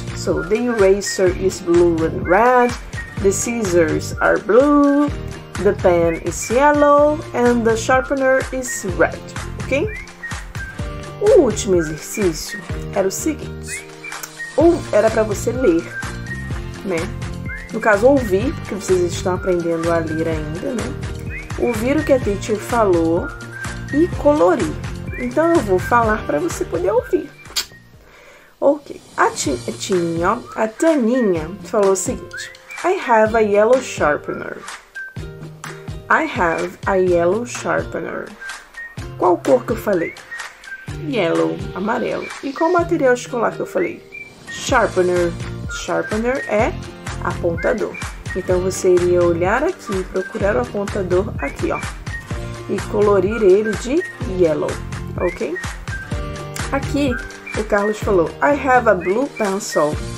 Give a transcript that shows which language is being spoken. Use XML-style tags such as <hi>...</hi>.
<en>So, the eraser is blue and red. The scissors are blue. The pen is yellow. And the sharpener is red. Ok?</en> <pt>O último exercício era o seguinte. Ou era para você ler, né? No caso, ouvir, porque vocês estão aprendendo a ler ainda, né? Ouvir o que a teacher falou e colorir. Então, eu vou falar para você poder ouvir. Ok. A Taninha falou o seguinte.</pt> <en>I have a yellow sharpener. I have a yellow sharpener.</en> <pt>Qual cor que eu falei? Yellow, amarelo. E qual material escolar que eu falei? Sharpener. Sharpener é apontador. Então, você iria olhar aqui, procurar o apontador aqui, ó. E colorir ele de yellow, ok? Aqui, o Carlos falou,</pt> <en>I have a blue pencil.</en>